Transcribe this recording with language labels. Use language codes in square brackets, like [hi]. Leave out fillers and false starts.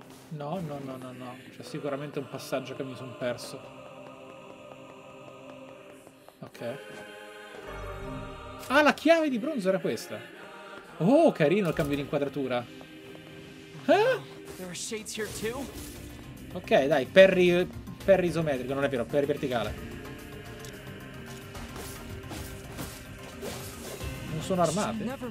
[it] No, c'è sicuramente un passaggio che mi sono perso. Ok. Ah, la chiave di bronzo era questa. Oh, carino il cambio di inquadratura. [en] There are shades here too. [it] Ok, dai, per isometrico, non è vero, per verticale. Non sono armate.